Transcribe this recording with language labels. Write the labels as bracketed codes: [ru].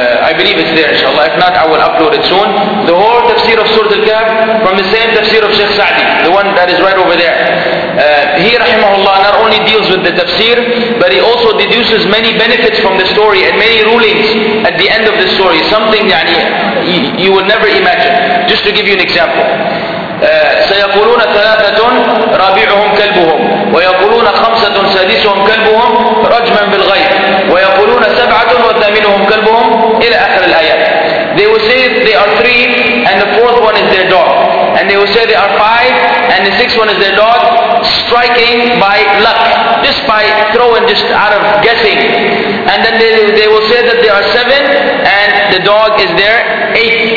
[en] I believe it's there, inshallah. If not, I will upload it soon. The whole Tafsir of Surah Al-Kahf from the same Tafsir of Sheikh Sa'di, the one that is right over there. He, rahimahullah, not only deals with the Tafsir, but he also deduces many benefits from the story and many rulings at the end of the story. Something that you would never imagine. Just to give you an example. [ar] سيقولون ثلاثة رابعهم كلبهم ويقولون خمسة سادسهم كلبهم رجما بالغيب ويقولون سبعة وثامنهم كلبهم إلى آخر الآيات. [en] They will say they are three and the fourth one is their dog. And they will say they are five and the sixth one is their dog, striking by luck, just by throwing, just out of guessing. And then they will say that they are seven and the dog is their eighth.